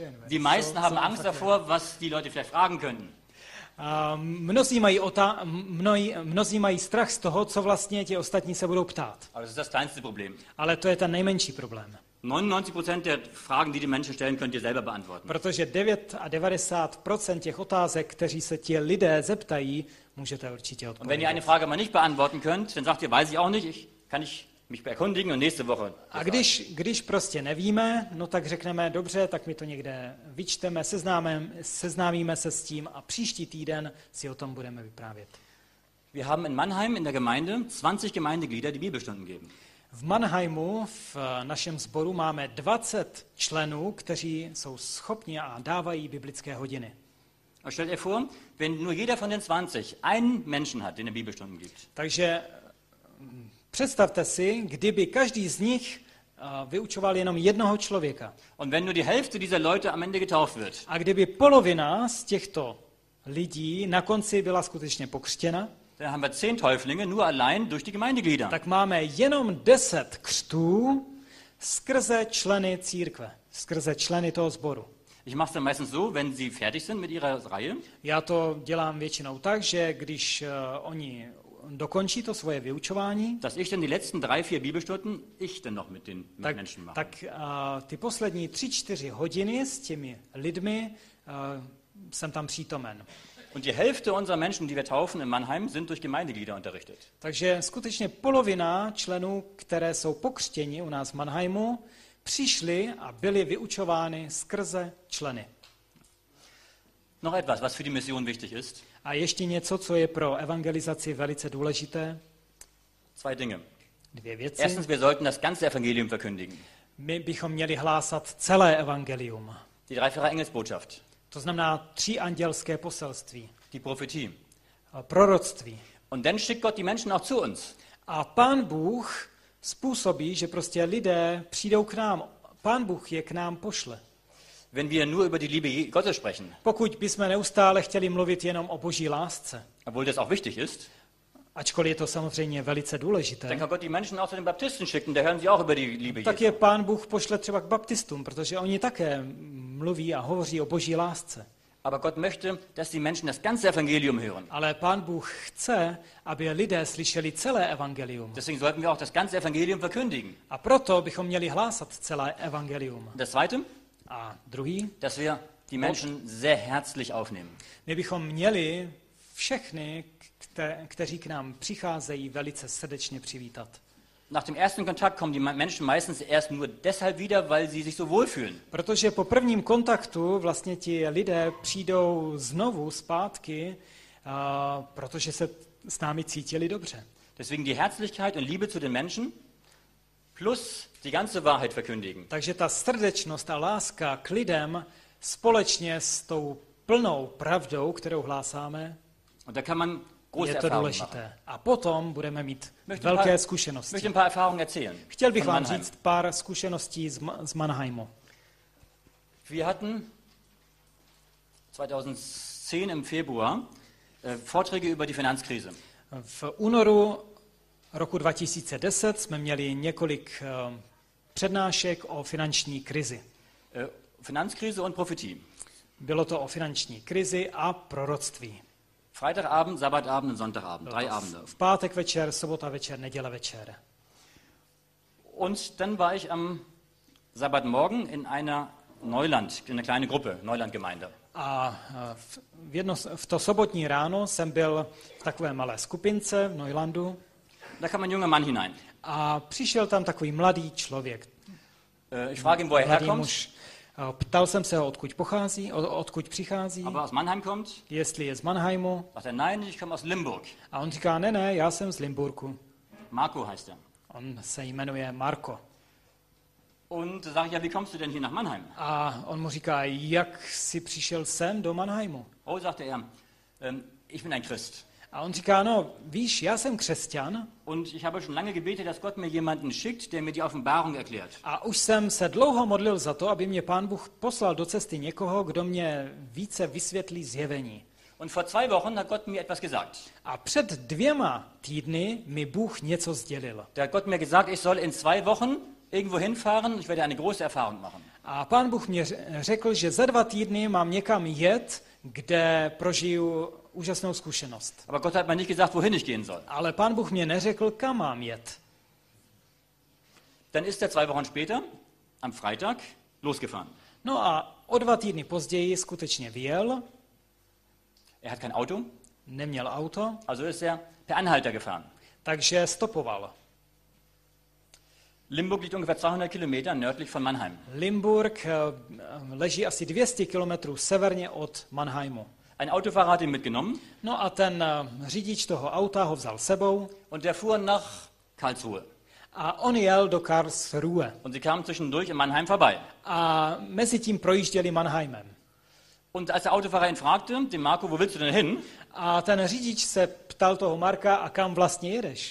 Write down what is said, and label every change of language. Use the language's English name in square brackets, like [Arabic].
[German] Die meisten haben Angst davor, was die Leute vielleicht fragen könnten. [Czech] Mnozí mají strach z toho, co vlastně ti ostatní se budou ptát. Ale to je ten nejmenší problém. [German] 99% der Fragen, die Menschen stellen, könnt ihr selber beantworten. [Czech] Protože 99% těch otázek, kteří se ti lidé zeptají, můžete určitě odpovědět. [German] Und wenn ihr eine Frage mal nicht beantworten könnt, dann sagt ihr, weiß ich auch nicht, kann ich mich erkundigen und nächste Woche. [Czech] A když prostě nevíme, no tak řekneme, dobře, tak my to někde vyčteme, seznámíme se s tím a příští týden si o tom budeme vyprávět. [German] Wir haben in Mannheim in der Gemeinde 20 Gemeindeglieder, die Bibelstunden geben. [Czech] V Mannheimu v našem sboru máme 20 členů, kteří jsou schopni a dávají biblické hodiny. [German] A stellt euch vor, wenn nur jeder von den 20 einen Menschen hat, den er Bibelstunden gibt. [Czech] Takže představte si, kdyby každý z nich vyučoval jenom jednoho člověka. [German] Und wenn nur die Hälfte dieser Leute am Ende getauft wird. [Czech] A kdyby polovina z těchto lidí na konci byla skutečně pokřtěna, [German] dann haben wir 10 Täuflinge nur allein durch die Gemeindeglieder. [Czech] Tak máme jenom 10 křtů skrze členy církve, skrze členy toho sboru. [German] Ich mache es meistens so, wenn sie fertig sind mit ihrer Reihe. [Czech] Já to dělám většinou tak, že když oni dokončí to svoje vyučování, [German] dass ich dann die letzten 3-4 Bibelstunden ich dann noch mit den [Czech] tak, [German] Menschen mache. [Czech] Tak ty poslední 3-4 hodiny s těmi lidmi jsem tam přítomen. [German] Und die Hälfte unserer Menschen, die wir taufen in Mannheim, sind durch Gemeindeglieder unterrichtet. [Czech] Takže skutečně polovina členů, které jsou pokřtěni u nás v Mannheimu, přišli a byli vyučovány skrze členy. [German] Noch etwas, was für die Mission wichtig ist. [Czech] A ještě něco, co je pro evangelizaci velice důležité. [German] Zwei Dinge. [Czech] Dvě věci. [German] Erstens, wir sollten das ganze Evangelium verkündigen. [Czech] My bychom měli hlásat celé evangelium. [German] Die dreifache Engelsbotschaft. [Czech] To znamená tři andělské poselství. [German] Die Prophetie. [Czech] Proroctví. [German] Und dann schickt Gott die Menschen auch zu uns. [Czech] A Pán Bůh způsobí, že prostě lidé přijdou k nám. Pán Bůh je k nám pošle. [German] Wenn wir nur über die Liebe Gottes sprechen. [Czech] Pokud bychom neustále chtěli mluvit jenom o Boží lásce. [German] Obwohl das auch wichtig ist. [Czech] Ačkoliv je to samozřejmě velice důležité. [German] Dann kann Gott die Menschen auch zu den Baptisten schicken, da hören sie auch über die Liebe. [Czech] Tak je Pán Bůh pošle třeba k baptistům, protože oni také mluví a hovoří o Boží lásce. [German] Aber Gott möchte, dass die Menschen das ganze Evangelium hören. [Czech] Ale Pán Bůh chce, aby lidé slyšeli celé evangelium. [German] Deswegen sollten wir auch das ganze Evangelium verkündigen. [Czech] A proto bychom měli hlásat celé evangelium. [German] Das zweite? [Czech] A druhý? [German] Dass wir die Menschen sehr herzlich aufnehmen. [Czech] My bychom měli všechny, kteří k nám přicházejí, velice srdečně přivítat. [German] Nach dem ersten Kontakt kommen die Menschen meistens erst nur deshalb wieder, weil sie sich so wohlfühlen. [Czech] Protože po prvním kontaktu vlastně ti lidé přijdou znovu zpátky, protože se s námi cítili dobře. [German] Deswegen die Herzlichkeit und Liebe zu den Menschen plus die ganze Wahrheit verkündigen. [Czech] Takže ta srdečnost a láska k lidem společně s tou plnou pravdou, kterou hlásáme. [German] Und da kann man [Czech] je to důležité. A potom budeme mít velké zkušenosti. Chtěl bych vám říct pár zkušeností z Mannheimu. [German] Wir hatten 2010 im Februar Vorträge über die Finanzkrise. [Czech] V únoru roku 2010 jsme měli několik přednášek o finanční krizi. [German] Finanzkrise und Prophetie. [Czech] Bylo to o finanční krizi a proroctví. [German] Freitagabend, Sabbatabend und Sonntagabend, drei Abende. [Czech] V pátek večer, sobota večer, neděle večer. [German] Und dann war ich am Sabbatmorgen in einer Neuland, in einer kleinen Gruppe, Neulandgemeinde. [Czech] A v to sobotní ráno jsem byl v takové malé skupince v Neulandu. [German] Da kam ein junger Mann hinein. [Czech] A přišel tam takový mladý člověk. [German] Ich frage ihn, wo er herkommt. [Czech] Ptal jsem se ho, odkud pochází, odkud přichází. [German] Aber aus Mannheim kommt? [Czech] Jestli je z Mannheimu. [German] Sagt er, nein, ich komme aus Limburg. [Czech] A on říká, ne, já jsem z Limburku. [German] Marco heißt er. [Czech] On se jmenuje Marco. [German] Und sag ich, ja, wie kommst du denn hier nach Mannheim? [Czech] A on mu říká, jak jsi přišel sem do Mannheimu? [German] Oh, sagte er, ich bin ein Christ. [Czech] A on říká, no, víš, já jsem křesťan. [German] Und ich habe schon lange gebetet, dass Gott mir jemanden schickt, der mir die Offenbarung erklärt. [Czech] A už jsem se dlouho modlil za to, aby mě Pán Bůh poslal do cesty někoho, kdo mě více vysvětlí zjevení. [German] Und vor zwei Wochen hat Gott mir etwas gesagt. [Czech] A před dvěma týdny mi Bůh něco sdělil. [German] Der Gott mir gesagt, ich soll in zwei Wochen irgendwo hinfahren, ich werde eine große Erfahrung machen. [Czech] A Pán Bůh mě řekl, že za dva týdny mám někam jet, kde prožiju úžasnou zkušenost. [German] Aber Gott hat mir nicht gesagt, wohin ich gehen soll. [Czech] Ale Pán Bůh mě neřekl, kam mám jet. [German] Dann ist er zwei Wochen später, am Freitag, losgefahren. [Czech] No a o dva týdny později skutečně vyjel. [German] Er hat kein Auto. [Czech] Neměl auto. [German] Also ist er per Anhalter gefahren. [Czech] Takže stopoval. [German] Limburg liegt ungefähr 200 Kilometer nördlich von Mannheim. [Czech] Limburg leží asi 200 kilometrů severně od Mannheimu. [German] Ein Autofahrer hat ihn mitgenommen. [Czech] No a ten řidič toho auta ho vzal sebou. [German] Und der fuhr nach Karlsruhe. [Czech] A on jel do Karlsruhe. [German] Und sie kamen zwischendurch in Mannheim vorbei. [Czech] A mezi tím projížděli Mannheimem. [German] Und als der Autofahrer ihn fragte, den Marco, wo willst du denn hin? [Czech] A ten řidič se ptal toho Marka, a kam vlastně jedeš?